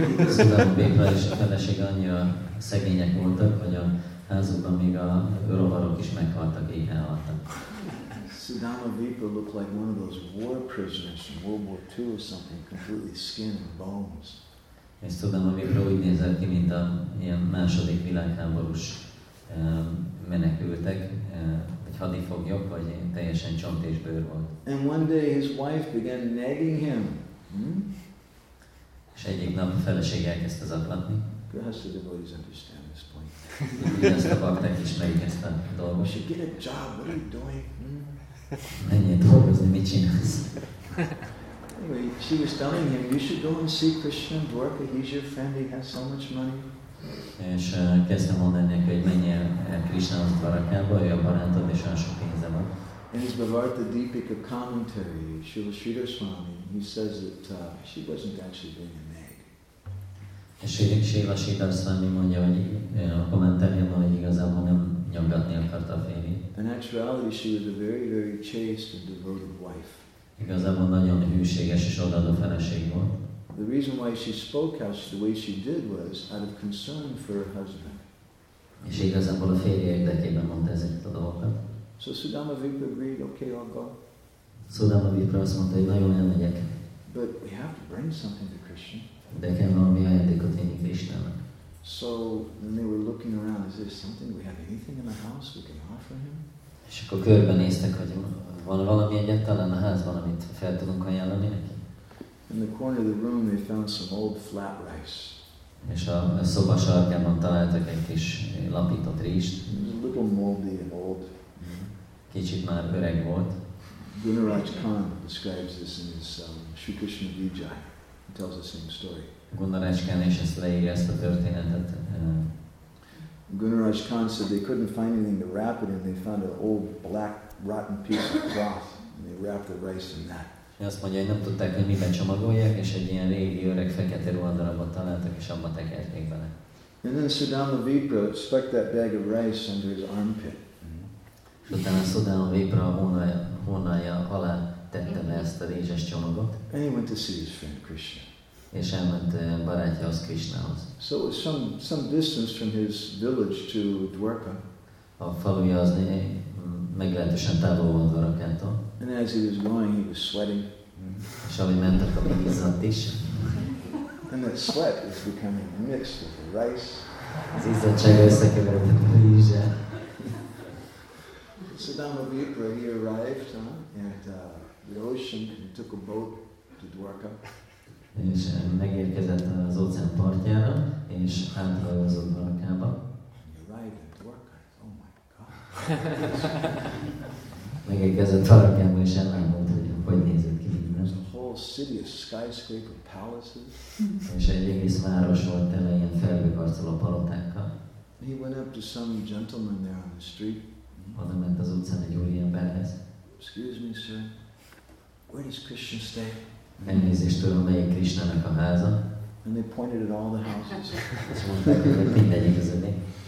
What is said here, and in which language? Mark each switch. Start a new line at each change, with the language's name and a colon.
Hungarian: Sudama Vipra és a felesége annyira szegények voltak, hogy a házukban még a rovarok is meghaltak, éhen haltak.
English: Sudama Vipra looked like one of those war prisoners from World War II or something, completely skin and bones.
Hungarian: És Sudama Vipra úgy nézett ki, mint a ilyen második világháborús menekültek, hadifoglyok, vagy teljesen csont és bőr volt.
English: And one day his wife began nagging him.
Hungarian: És egyik nap a felesége elkezdte zaklatni.
English: Perhaps the devotees understand this point.
Hungarian: Ezt a bakták ismerik ezt a dolgot.
English: She get a job, what are you doing?
Hungarian: Menjél dolgozni, mit csinálsz?
English: Anyway, she was telling him, you should go and see Krishna Dvarka, he's your friend, he has so much money.
Hungarian: És kezdtem mondani neki, hogy menjél Krishnához Dvarakába, ő a barátod, és olyan sok pénze van.
English: In his Bhavartha Deepika commentary, Srila Sridhar Swami, he says that she wasn't actually being a nag.
Hungarian: És Srila Sridhar Swami mondja, hogy a kommentárjában, hogy igazából nem nyomgatni akart a férjét.
English: In actuality, she was a very, very chaste and devoted wife.
Hungarian: Igazából nagyon hűséges és odaadó feleség volt.
English: The reason why she spoke out the way she did was out of concern for her husband.
Hungarian: És igazából a férje érdekében mondta ezeket a dolgokat.
English: So Sudama Vipra agreed, okay, I'll go.
Hungarian: Sudama Vipra azt mondta, hogy nagyon elmegyek.
English: But we have to bring something to Krishna.
Hungarian: De kell valami ajándékot vinni Krishnának.
English: So when they were looking around, is there something, we have anything in the house we can offer him?
Hungarian: És akkor körbenéztek, hogy van valami egyáltalán a házban, amit fel tudunk ajánlani neki?
English: In the corner of the room they found some old flat rice.
Hungarian: És a szoba sarkában találtak egy kis lapított rizst.
English: A little moldy and old.
Hungarian: Kicsit már öreg volt.
English: Gunaraj Khan describes this in his Shri Krishna Vijay. He tells the same story.
Hungarian: Gunaraj Khan is ezt leírja, ezt a történetet.
English: Gunaraj Khan said they couldn't find anything to wrap it in. They found an old black rotten piece of cloth and they wrapped the rice in that.
Hungarian: Azt mondja, hogy nem tudták, hogy miben csomagolják, és egy ilyen régi, öreg, fekete ruhadarabot találtak, és abba tekerték bele.
English: And then Sudama Vipra stuck that bag of rice under his armpit.
Hungarian: És utána Sudama Vipra a hónalja alá tette le ezt a rizses csomagot.
English: And he went to see his friend Krishna.
Hungarian: És elment barátjához, Krishnához.
English: So it was some distance from his village to Dwarka.
Hungarian: A faluja az meglehetősen távol volt Dwarkától.
English: And as he was going, he was sweating. Shall we mentor the bees on this? And that sweat is becoming mixed with the rice. This is a chagasaka with the bees, yeah. Sudama Vipra, he arrived at the ocean and took a boat to Dwarka.
Hungarian: És megérkezett az óceán partjára, és átrajozott Dwarkába.
English: He arrived at Dwarka, oh my God.
Hungarian: Megérkezett Dwarkába, és elmondta, hogy hogy nézett ki minden.
English: There's a whole city of skyscraper palaces.
Hungarian: És egy egész város volt tele ilyen felhőkarcoló palotákkal.
English: He went up to some gentleman there on the street.
Hungarian: Oda ment az utcán egy úriemberhez.
English: Excuse me, sir. Where does Krishna stay?
Hungarian: Elnézést, tudom, melyik Krishnának a háza.
English: And they pointed at all the houses.
Hungarian: Azt mondták, hogy mindegyik az övé.